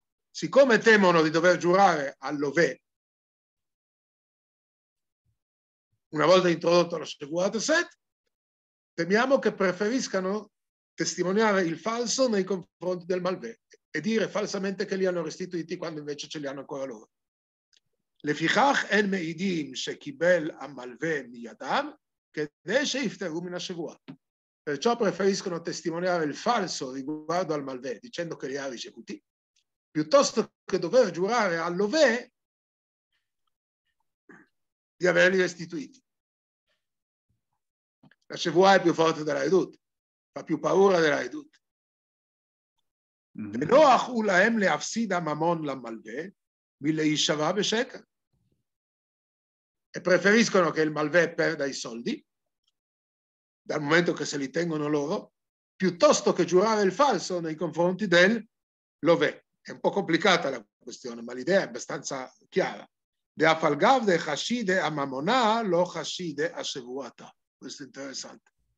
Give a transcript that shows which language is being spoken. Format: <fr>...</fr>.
<it>Siccome temono di dover giurare all'Ove, una volta introdotto la Shevuat Set, temiamo che preferiscano testimoniare il falso nei confronti del Malvè e dire falsamente che li hanno restituiti quando invece ce li hanno ancora loro.</it> <he>לפיכך אין מעידים שקיבל המלווה מידם כדי שיפטרו מן השבוע.</he> <it>Perciò preferiscono testimoniare il falso riguardo al malvè, dicendo che li ha ricevuti, piuttosto che dover giurare all'ove di averli restituiti. La Shevuah è più forte della Edut, fa più paura della Edut.</it> <he>ונוח הוא להם להפסיד הממון למלווה מלהישבע בשקר.</he> <it>E preferiscono che il malvè perda i soldi, dal momento che se li tengono loro, piuttosto che giurare il falso nei confronti del Lové. È un po' complicata la questione, ma l'idea è abbastanza chiara.</it> <arc>De afalgav de chaside a mamona lo chaside a sevuata.</arc> <it>Questo è interessante.</it>